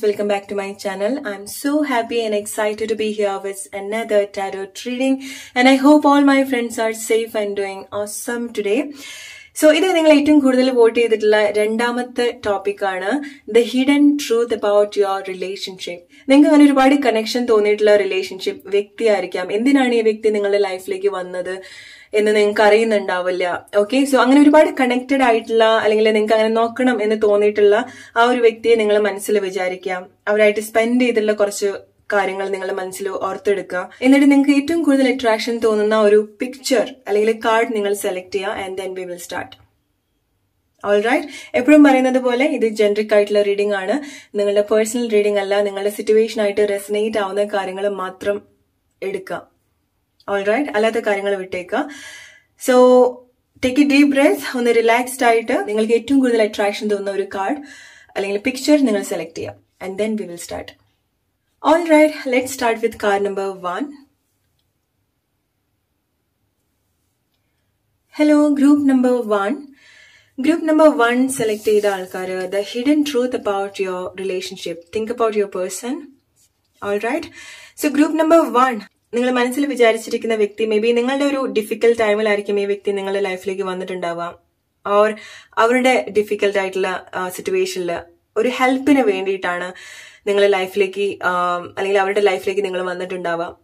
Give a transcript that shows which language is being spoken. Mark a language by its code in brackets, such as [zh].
[en] Welcome back to my channel. I'm so happy and excited to be here with another tarot reading and I hope all my friends are safe and doing awesome today. [ml] So, ഇത് നിങ്ങൾ ഏറ്റവും കൂടുതൽ vote ചെയ്തിട്ടുള്ള രണ്ടാമത്തെ topic ആണ് [en] The hidden truth about your relationship. [ml] നിങ്ങൾക്ക് അങ്ങനെ ഒരുപാട് കണക്ഷൻ തോന്നിയിട്ടുള്ള റിലേഷൻഷിപ്പ് വ്യക്തിയായിരിക്കാം. എന്തിനാണ് ഈ വ്യക്തി നിങ്ങളുടെ ലൈഫിലേക്ക് വന്നത് എന്ന് നിങ്ങൾക്ക് അറിയുന്നുണ്ടാവില്ല. ഓക്കെ, സോ അങ്ങനെ ഒരുപാട് കണക്റ്റഡ് ആയിട്ടുള്ള അല്ലെങ്കിൽ നിങ്ങൾക്ക് അങ്ങനെ നോക്കണം എന്ന് തോന്നിയിട്ടുള്ള ആ ഒരു വ്യക്തിയെ നിങ്ങൾ മനസ്സിൽ വിചാരിക്കാം. അവരായിട്ട് സ്പെൻഡ് ചെയ്തിട്ടുള്ള കുറച്ച് കാര്യങ്ങൾ നിങ്ങളുടെ മനസ്സിൽ ഓർത്തെടുക്കുക. എന്നിട്ട് നിങ്ങൾക്ക് ഏറ്റവും കൂടുതൽ അട്രാക്ഷൻ തോന്നുന്ന ഒരു പിക്ചർ അല്ലെങ്കിൽ കാർഡ് നിങ്ങൾ സെലക്ട് ചെയ്യുക. [en] And then we will start. [ml] Alright, എപ്പോഴും പറയുന്നത് പോലെ ഇത് ജനറിക് ആയിട്ടുള്ള റീഡിംഗ് ആണ്, നിങ്ങളുടെ പേഴ്സണൽ റീഡിംഗ് അല്ല. നിങ്ങളുടെ സിറ്റുവേഷൻ ആയിട്ട് റെസനേറ്റ് ആവുന്ന കാര്യങ്ങൾ മാത്രം എടുക്കുക. ഓൾറൈറ്റ്, അല്ലാത്ത കാര്യങ്ങൾ വിട്ടേക്കുക. [en] so take a deep breath, [ml] ഒന്ന് റിലാക്സ്ഡ് ആയിട്ട് നിങ്ങൾക്ക് ഏറ്റവും കൂടുതൽ അട്രാക്ഷൻ തോന്നുന്ന ഒരു കാർഡ് അല്ലെങ്കിൽ പിക്ചർ നിങ്ങൾ സെലക്ട് ചെയ്യുക. [en] And then we will start. All right, let's start with card number 1. Hello, group number 1. Group number 1 select [ml] ചെയ്ത ആൾക്കാര്, [en] the hidden truth about your relationship. Think about your person. All right. [ml] So group number 1, നിങ്ങൾ മനസ്സിൽ വിചാരിച്ചിരിക്കുന്ന വ്യക്തി, maybe നിങ്ങളുടെ ഒരു difficult ടൈമിലായിരിക്കും ഈ വ്യക്തി നിങ്ങളുടെ ലൈഫിലേക്ക് വന്നിട്ടുണ്ടാവാം. ഓർ അവരുടെ ഡിഫിക്കൽട്ട് ആയിട്ടുള്ള സിറ്റുവേഷനിൽ ഒരു ഹെൽപ്പിന് വേണ്ടിയിട്ടാണ് നിങ്ങളുടെ ലൈഫിലേക്ക് അല്ലെങ്കിൽ അവരുടെ ലൈഫിലേക്ക് നിങ്ങൾ വന്നിട്ടുണ്ടാവാം.